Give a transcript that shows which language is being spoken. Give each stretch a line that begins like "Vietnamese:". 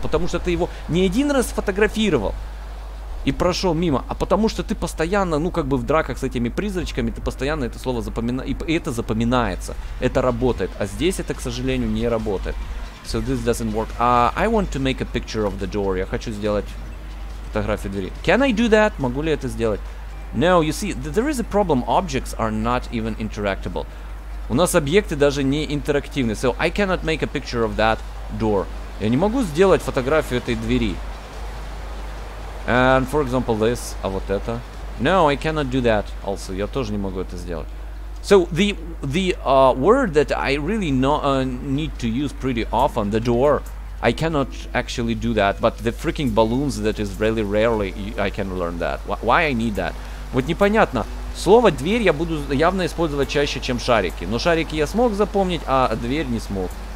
Russian: Потому что ты его не один раз сфотографировал и прошел мимо, а потому что ты постоянно, ну как бы в драках с этими призрачками, ты постоянно это слово запоминаешь, и это запоминается, это работает, а здесь это, к сожалению, не работает.
English: So this doesn't work. I want to make a picture of the door.
Russian: Я хочу сделать фотографию двери.
English: Can I do that?
Russian: Могу ли это сделать?
English: No, you see, there is a problem. Objects are not even interactable.
Russian: У нас объекты даже не интерактивны.
English: So I cannot make a picture of that door.
Russian: Я не могу сделать фотографию этой двери.
English: And, for example, this,
Russian: а вот это.
English: No, I cannot do that also.
Russian: Я тоже не могу это сделать.
English: So, the word that I really need to use pretty often, the door, I cannot actually do that. But the freaking balloons, that is really rarely, I can learn that. Why I need that?
Russian: Вот непонятно. Слово «дверь» я буду явно использовать чаще, чем «шарики». Но «шарики» я смог запомнить, а «дверь» не смог.